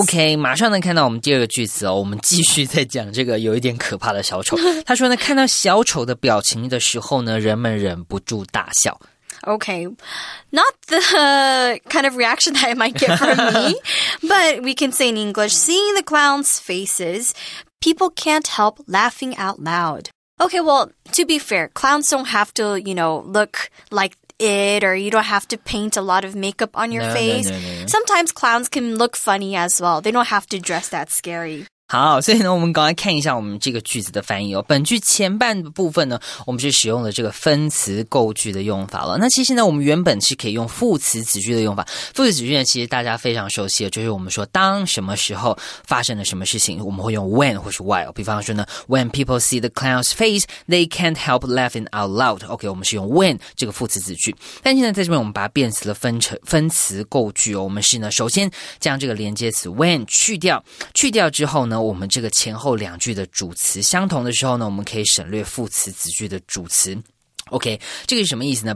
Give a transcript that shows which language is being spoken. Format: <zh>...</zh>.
<zh>Okay, 马上能看到我们第二个句子哦，我们继续在讲这个有一点可怕的小丑。他说呢，看到小丑的表情的时候呢，人们忍不住大笑。</zh> <en>Okay, not the kind of reaction that it might get from me, but we can say in English, seeing the clown's faces, people can't help laughing out loud. Okay, well, to be fair, clowns don't have to, you know, look like,it or you don't have to paint a lot of makeup on your no, face. No, no, no. Sometimes clowns can look funny as well. They don't have to dress that scary.</en> <zh>好，所以呢，我们赶快看一下我们这个句子的翻译哦。本句前半部分呢，我们是使用了这个分词构句的用法了。那其实呢，我们原本是可以用副词子句的用法。副词子句呢，其实大家非常熟悉的，就是我们说当什么时候发生了什么事情，我们会用 when 或是 while。比方说呢</zh> <en>，When people see the clown's face, they can't help laughing out loud.</en> <zh>OK， 我们是用 when 这个副词子句。但现在在这边，我们把它变成了分词构句哦。我们是呢，首先将这个连接词 when 去掉之后呢。我们这个前后两句的主词相同的时候呢，我们可以省略副词子句的主词。 OK， 这个是什么意思呢？</zh>